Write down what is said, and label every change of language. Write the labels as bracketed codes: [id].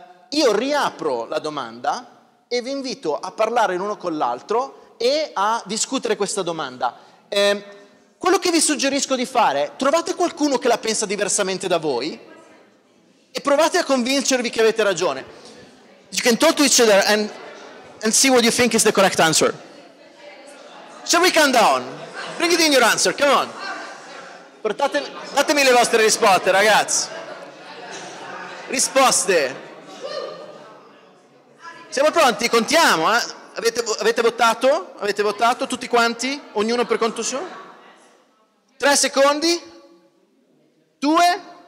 [it] Io riapro la domanda e vi invito a parlare l'uno con l'altro e a discutere questa domanda. Quello che vi suggerisco di fare, trovate qualcuno che la pensa diversamente da voi e provate a convincervi che avete ragione. [en] You can talk to each other and see what you think is the correct answer. Shall we calm down? Bring it in your answer, come on. [it] Datemi le vostre risposte, ragazzi. Risposte. Siamo pronti? Contiamo, eh? Avete votato? Avete votato tutti quanti? Ognuno per conto suo? 3 secondi? 2?